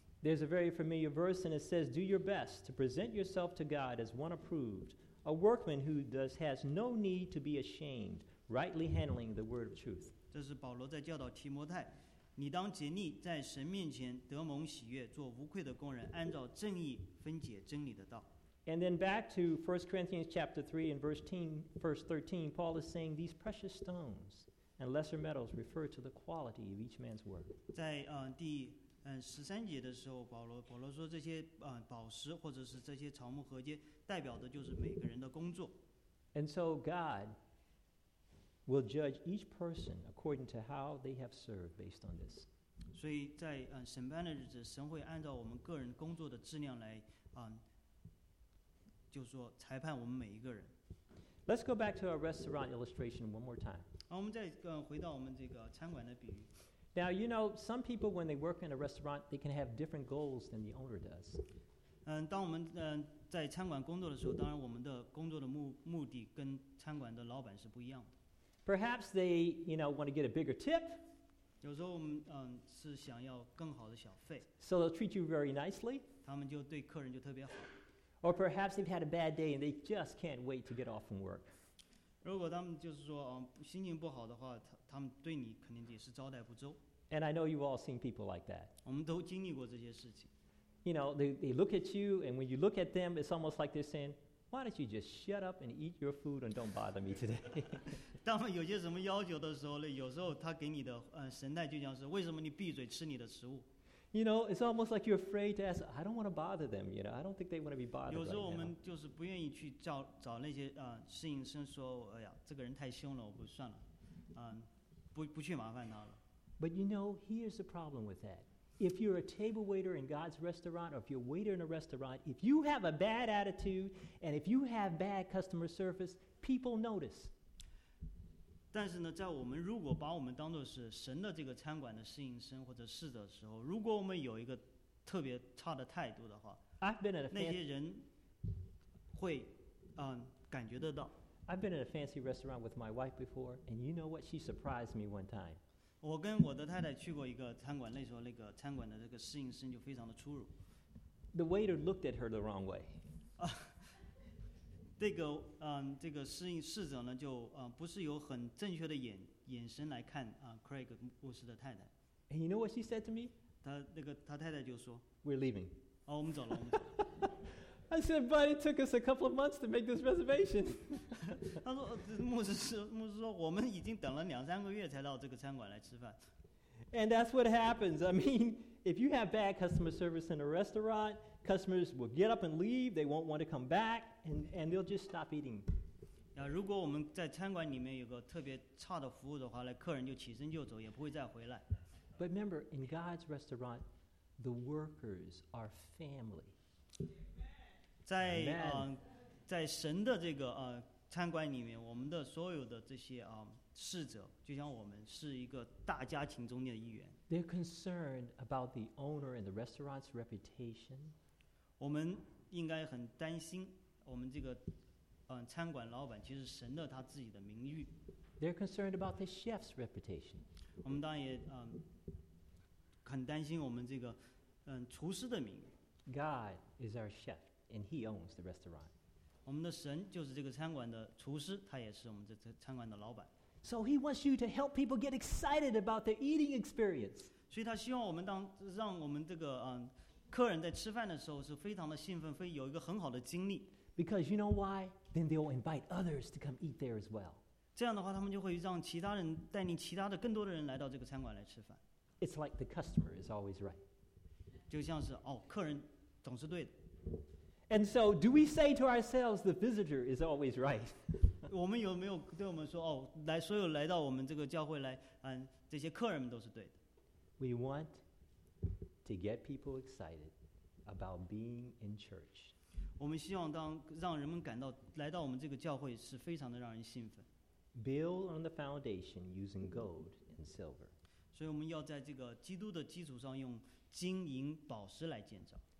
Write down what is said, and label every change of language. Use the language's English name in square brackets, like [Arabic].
[English] There's a very familiar verse, and it says, "Do your best to present yourself to God as one approved." A workman who has no need to be ashamed, rightly handling the word of truth. [Chinese] 这是保罗在教导提摩太，你当竭力在神面前得蒙喜悦，做无愧的工人，按照正义分解真理的道。 [English] And then back to 1 Corinthians chapter 3 and verse 13, Paul is saying these precious stones and lesser metals refer to the quality of each man's work. [Chinese] 在第十三节的时候，保罗说这些宝石或者是这些草木禾秸代表的就是每个人的工作。 [English] And so God will judge each person according to how they have served based on this. [Chinese] 所以在审判的日子，神会按照我们个人工作的质量来就说裁判我们每一个人。 [English] Let's go back to our restaurant illustration one more time. [Chinese] 我们再回到我们这个餐馆的比喻。 [English] Now, you know, some people when they work in a restaurant, they can have different goals than the owner does. [Chinese] 当我们在餐馆工作的时候，当然我们的工作的目的跟餐馆的老板是不一样的。 [English] Perhaps they, you know, want to get a bigger tip. [Chinese] 有时候我们是想要更好的小费。 [English] So they'll treat you very nicely. [Chinese] 他们就对客人就特别好。 [English] Or perhaps they've had a bad day and they just can't wait to get off from work. [Chinese] 如果他们就是说心情不好的话，他们对你肯定也是招待不周。 [English] And I know you've all seen people like that. [Chinese] 我们都经历过这些事情。 [English] You know, they look at you, and when you look at them, it's almost like they're saying, why don't you just shut up and eat your food and don't bother me today? [Chinese] 当有些什么要求的时候呢，有时候他给你的神态就像是，为什么你闭嘴吃你的食物？ [English] You know, it's almost like you're afraid to ask, I don't want to bother them, you know, I don't think they want to be bothered right now. [Chinese] 有时候我们就是不愿意去找那些侍应生说，哎呀，这个人太凶了，我不算了，不去麻烦他了。 [English] But you know, here's the problem with that. If you're a table waiter in God's restaurant, or if you're a waiter in a restaurant, if you have a bad attitude, and if you have bad customer service, people notice. [Chinese] 但是呢，在我们如果把我们当作是神的这个餐馆的侍应生或者侍者的时候，如果我们有一个特别差的态度的话， [English] I've been at a [Chinese] 那些人会感觉得到。 [English] I've been at a fancy restaurant with my wife before, and you know what? She surprised me one time. [Chinese] 我跟我的太太去过一个餐馆，那时候那个餐馆的这个侍应生就非常的粗鲁。 [English] The waiter looked at her the wrong way. [Chinese] 这个侍者呢，就不是有很正确的眼神来看Craig 牧师的太太。 [English] And you know what she said to me? [Chinese] 他太太就说 [English] ，We're leaving. [Chinese] 哦，我们走了，我们走了。 [English] I said, but it took us a couple of months to make this reservation. [Chinese] 他说，牧师说，我们已经等了两三个月才到这个餐馆来吃饭。 [English] And that's what happens. I mean, if you have bad customer service in a restaurant, customers will get up and leave. They won't want to come back, and they'll just stop eating. [Chinese] 如果我们在餐馆里面有个特别差的服务的话，那客人就起身就走，也不会再回来。 [English] But remember, in God's restaurant, the workers are family. [Chinese] 在神的这个餐馆里面，我们的所有的这些侍者，就像我们是一个大家庭中的一员。 [English] They're concerned about the owner and the restaurant's reputation. [Chinese] 我们应该很担心我们这个餐馆老板，其实神的他自己的名誉。 [English] They're concerned about the chef's reputation. [Chinese] 我们当然也很担心我们这个厨师的名誉。 [English] God is our chef. And he owns the restaurant. [Chinese] 我们的神就是这个餐馆的厨师，他也是我们这餐馆的老板。 [English] So he wants you to help people get excited about their eating experience. [Chinese] 所以他希望我们让我们这个客人在吃饭的时候是非常的兴奋，会有一个很好的经历。 [English] Because you know why? Then they will invite others to come eat there as well. [Chinese] 这样的话，他们就会让其他人带领其他的更多的人来到这个餐馆来吃饭。 [English] It's like the customer is always right. [Chinese] 就像是客人总是对的。 [English] And so, do we say to ourselves, the visitor is always right? [Chinese] 我们有没有对我们说，来所有来到我们这个教会来，这些客人们都是对的。 [English] We want to get people excited about being in church. [Chinese] 我们希望让人们感到来到我们这个教会是非常的让人兴奋。 [English] Build on the foundation using gold and silver. [Chinese] 所以我们要在这个基督的基础上用金银宝石来建造。